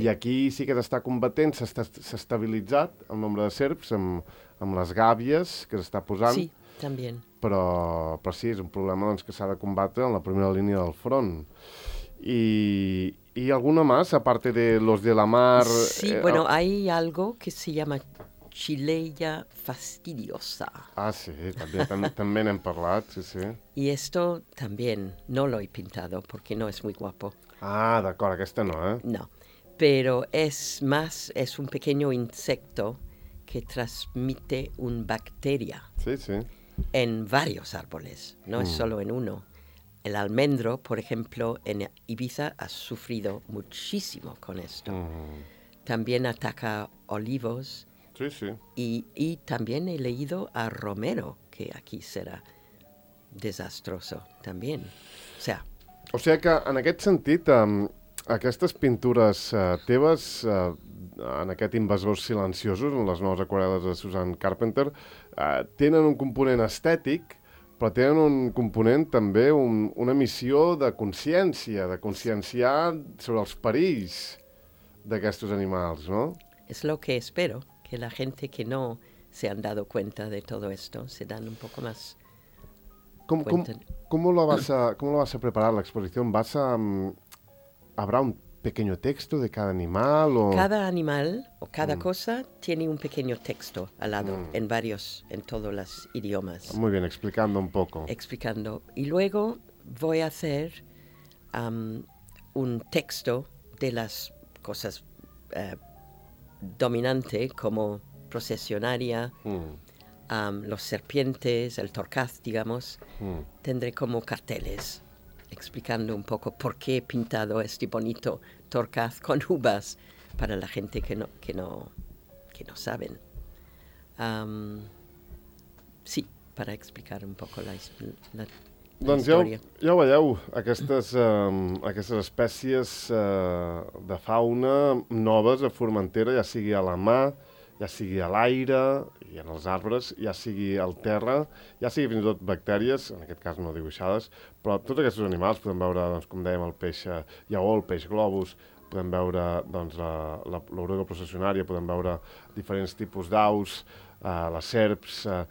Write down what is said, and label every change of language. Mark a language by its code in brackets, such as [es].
[ca] I aquí sí que s'està combatent, s'ha estabilitzat el nombre de serps amb les gàbies que s'està posant. Sí, també. Però sí, és un problema doncs, que s'ha de combatre en la primera línia del front. I alguna més, a part de los de la mar... [es] Sí, bueno, hay algo que se llama chilea fastidiosa. Ah, sí, también, también [ca] en parlat, [es] sí, sí. Y esto también no lo he pintado porque no es muy guapo. [ca] Ah, d'acord, aquesta no, ¿eh? [es] No, pero es más, es un pequeño insecto que transmite una bacteria. Sí, sí. En varios árboles, no es solo en uno. El almendro, por ejemplo, en Ibiza ha sufrido muchísimo con esto. También ataca olivos. Sí, sí. Y también he leído a romero, que aquí será desastroso también. [ca] O sea que en aquest sentit, aquestes pintures teves, en aquest invasor silenciosos, en les noves aquarel·les de Susan Carpenter, tenen un component estètic, però tenen un component també, una missió de consciència, de conscienciar sobre els perills d'aquests animals, no? [es] És lo que espero, que [ca] la gent [es] que no se han dado cuenta de todo esto se dan un poco más ¿Cómo lo vas a preparar la exposición? ¿Habrá un pequeño texto de cada animal? O... Cada animal o cada cosa tiene un pequeño texto al lado, en varios, en todos los idiomas. Muy bien, explicando un poco. Explicando. Y luego voy a hacer un texto de las cosas dominante, como procesionaria, los serpientes, el torcaz, digamos. Tendré como carteles explicando un poco por qué he pintado este bonito torcaz con uvas para la gente que no saben. Sí, para explicar un poco la [ca] doncs història. Ja ho veieu, aquestes espècies de fauna noves a Formentera, ja sigui a la mà, ja sigui a l'aire i en els arbres, ja sigui al terra, ja sigui fins i tot bactèries, en aquest cas no dibuixades, però tots aquests animals podem veure, doncs, com dèiem, el peix lleó, el peix globus, podem veure doncs, l'oruga processionària, podem veure diferents tipus d'aus, les serps,